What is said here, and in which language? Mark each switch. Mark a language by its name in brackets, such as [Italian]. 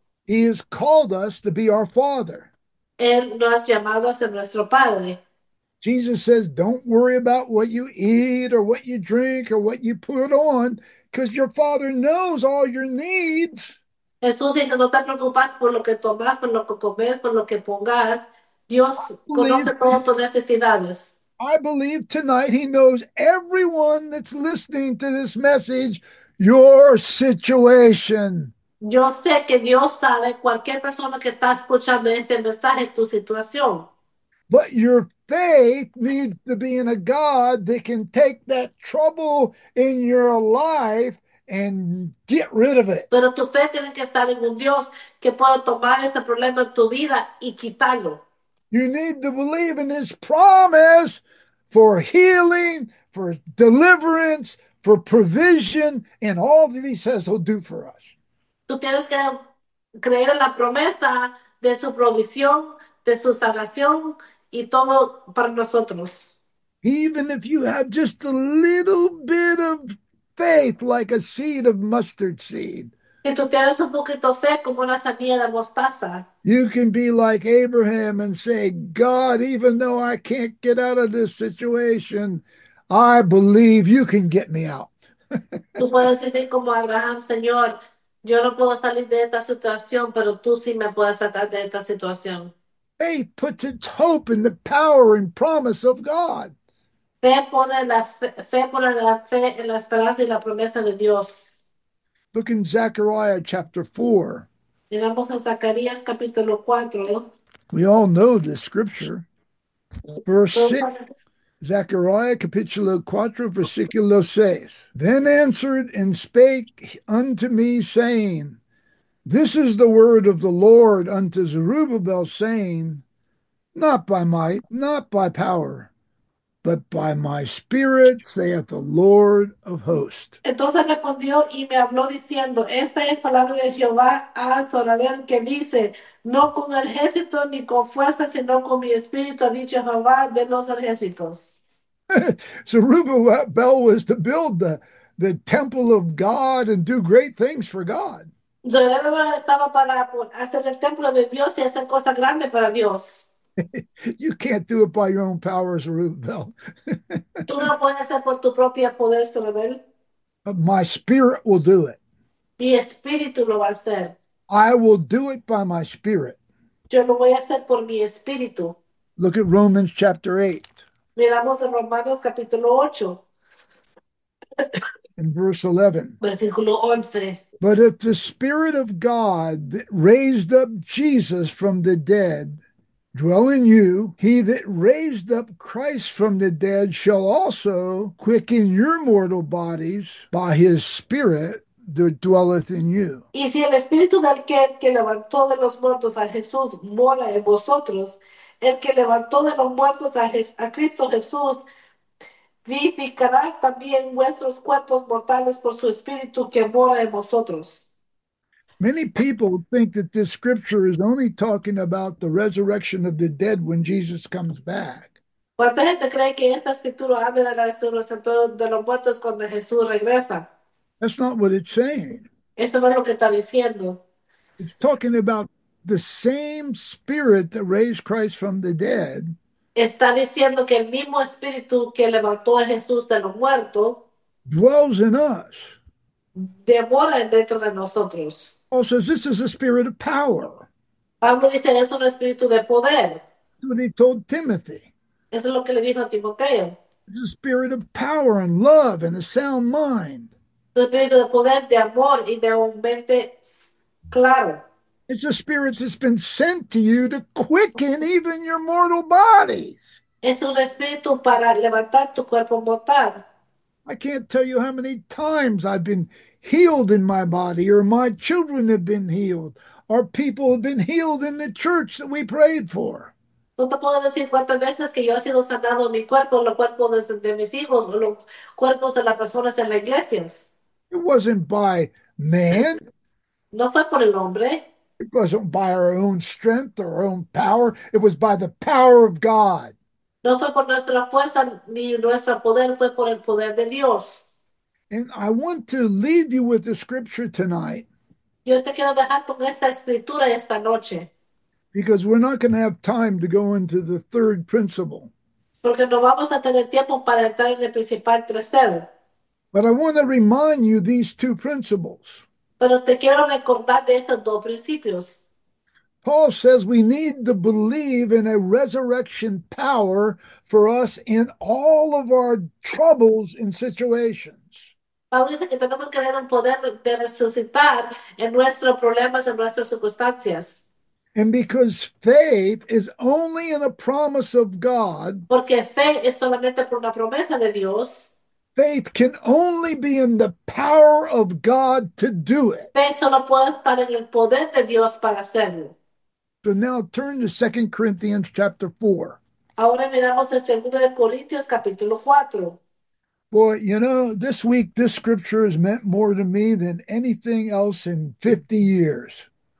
[English] He has called us to be our Father. [Spanish] Él nos ha llamado a ser nuestro Padre. [English] Jesus says, don't worry about what you eat or what you drink or what you put on, because your Father knows all your needs. [Spanish] Jesús dice, no te preocupes por lo que tomas, por lo que comes, por lo que pongas. Dios conoce todas tus necesidades. [English] I believe tonight he knows everyone that's listening to this message, your situation. [Spanish] Yo sé que Dios sabe cualquier persona que está escuchando este mensaje, tu situación. [English] But your faith needs to be in a God that can take that trouble in your life and get rid of it. [Spanish] Pero tu fe tiene que estar en un Dios que pueda tomar ese problema en tu vida y quitarlo. [English] You need to believe in his promise for healing, for deliverance, for provision, and all that he says he'll do for us. [Spanish] Tú tienes que creer en la promesa de su provisión, de su salvación y todo para nosotros. [English] Even if you have just a little bit of faith, like a seed of mustard seed, [Spanish] Si tú tienes un poquito de fe como una semilla de mostaza. [English] you can be like Abraham and say, God, even though I can't get out of this situation, I believe you can get me out. [Spanish] Tú puedes decir como Abraham, Señor, yo no puedo salir de esta situación, pero tú sí me puedes sacar de esta situación. [English] Faith puts its hope in the power and promise of God. [Spanish] Fe pone la fe en la esperanza y la promesa de Dios. [English] Look in Zechariah chapter 4. [Spanish] Miramos a Zacarías capítulo 4. [English] We all know this scripture. Verse 6. [Spanish] Zechariah capitulo 4, versículo 6. [English] Then answered and spake unto me, saying, This is the word of the Lord unto Zerubbabel, saying, Not by might, not by power, but by my spirit, saith the Lord of hosts. [Spanish] Entonces respondió y me habló diciendo, Esta es palabra de Jehová a Zorobabel que dice, No con el ejército ni con fuerza, sino con mi espíritu, ha dicho Jehová de los ejércitos. [English] Zerubbabel was to build the temple of God and do great things for God. [Spanish] Zorobabel estaba para hacer el templo de Dios y hacer cosas grandes para Dios. [English] You can't do it by your own power, Zerubbabel. [Spanish] Tú no puedes hacer por tu propio poder, Zorobabel. [English] But my spirit will do it. [Spanish] Mi espíritu lo va a hacer. [English] I will do it by my spirit. [Spanish] Yo lo voy a hacer por mi espíritu. [English] Look at Romans chapter 8. [Spanish] Miramos en Romanos capítulo 8. [English] In verse 11. [Spanish] Versículo 11. [English] But if the Spirit of God that raised up Jesus from the dead dwell in you, he that raised up Christ from the dead shall also quicken your mortal bodies by his Spirit that dwelleth in you. [Spanish] Y si el espíritu del que levantó de los muertos a Jesús mora en vosotros, el que levantó de los muertos a Cristo Jesús vivificará también vuestros cuerpos mortales por su espíritu que mora en vosotros. [English] Many people think that this scripture is only talking about the resurrection of the dead when Jesus comes back. [Spanish] ¿Cuánta gente cree que esta escritura habla de la resurrección de los muertos cuando Jesús regresa? [English] That's not what it's saying. [Spanish] Eso no es lo que está diciendo. [English] It's talking about the same spirit that raised Christ from the dead. [Spanish] Está diciendo que el mismo espíritu que levantó a Jesús de los muertos [English] dwells in us. [Spanish] Demora dentro de nosotros. [English] Paul says this is a spirit of power. [Spanish] Pablo dice, es un espíritu de poder. [English] That's what he told Timothy. [Spanish] Eso es lo que le dijo a Timoteo. [English] It's a spirit of power and love and a sound mind. [Spanish] Es un espíritu de poder, de amor y de un mente claro. [English] It's a spirit that's been sent to you to quicken even your mortal bodies. [Spanish] Es un espíritu para levantar tu cuerpo mortal. [English] I can't tell you how many times I've been healed in my body, or my children have been healed, or people have been healed in the church that we prayed for. [Spanish] No te puedo decir cuántas veces que yo he sido sanado en mi cuerpo, los cuerpos de mis hijos, o los cuerpos de las personas en las iglesias. [English] It wasn't by man. [Spanish] No fue por el hombre. [English] It wasn't by our own strength or our own power. It was by the power of God. [Spanish] No fue por nuestra fuerza ni nuestro poder, fue por el poder de Dios. [English] And I want to leave you with the scripture tonight. [Spanish] Yo te quiero dejar con esta escritura esta noche. [English] Because we're not going to have time to go into the third principle. [Spanish] Porque no vamos a tener tiempo para entrar en el principal tercero. [English] But I want to remind you these two principles. [Spanish] Pero te quiero recordar de estos dos principios. [English] Paul says we need to believe in a resurrection power for us in all of our troubles and situations. [Spanish] Pablo dice que tenemos que tener un poder de resucitar en nuestros problemas, en nuestras circunstancias. [English] And because faith is only in a promise of God, [Spanish] porque fe es solamente por una promesa de Dios, [English] faith can only be in the power of God to do it. [Spanish] Fe solo puede estar en el poder de Dios para hacerlo. [English] So now turn to 2 Corinthians chapter 4. [Spanish] Ahora miramos el segundo de Corintios capítulo 4. [English] Boy, you know, this week this scripture has meant more to me than anything else in 50 years.